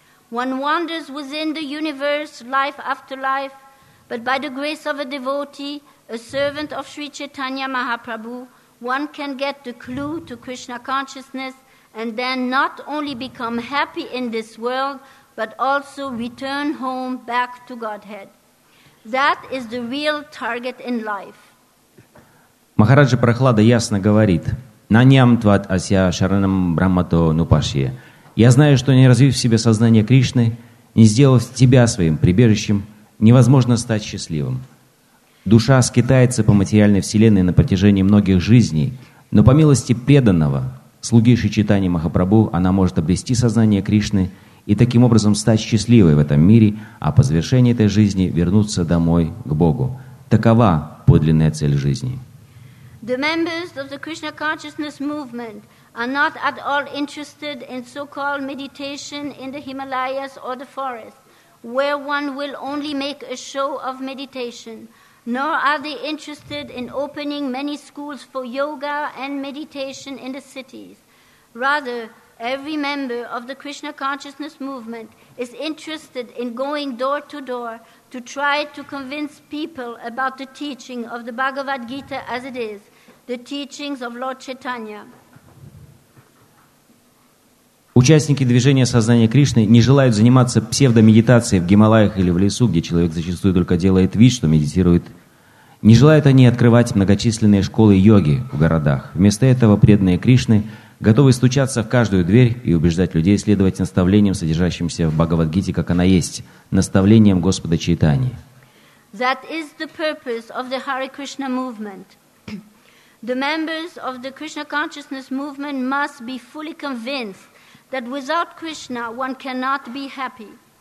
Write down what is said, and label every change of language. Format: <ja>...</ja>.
<en>One wanders within the universe, life after life, but by the grace of a devotee, a servant of Sri Chaitanya Mahaprabhu, one can get the clue to Krishna consciousness and then not only become happy in this world, but also return home back to Godhead. That is the real target in life.</en> <ru>Махараджа Прахлада ясно говорит,</ru> <sa>«Наньям твад ася шаранам брахмато нупашье».</sa> <ru>Я знаю, что не развив в себе сознание Кришны, не сделав тебя своим прибежищем, невозможно стать счастливым. Душа скитается по материальной вселенной на протяжении многих жизней, но по милости преданного, слуги Шри Чайтаньи Махапрабху, она может обрести сознание Кришны и таким образом стать счастливой в этом мире, а по завершении этой жизни вернуться домой к Богу. Такова подлинная цель жизни.</ru> <en>The members of the Krishna consciousness movement are not at all interested in so-called meditation in the Himalayas or the forest, where one will only make a show of meditation, nor are they interested in opening many schools for yoga and meditation in the cities. Rather, every member of the Krishna consciousness movement is interested in going door to door to try to convince people about the teaching of the Bhagavad Gita as it is, the teachings of Lord Chaitanya.</en> <ru>Участники движения сознания Кришны не желают заниматься псевдомедитацией в Гималаях или в лесу, где человек зачастую только делает вид, что медитирует. Не желают они открывать многочисленные школы йоги в городах. Вместо этого преданные Кришны готовы стучаться в каждую дверь и убеждать людей следовать наставлениям, содержащимся в Бхагавадгите, как она есть, наставлениям Господа Чайтаньи.</ru> <en>That is the purpose of the Hare Krishna movement. The members of the Krishna consciousness movement must be fully convinced that without Krishna, one cannot be happy.</en>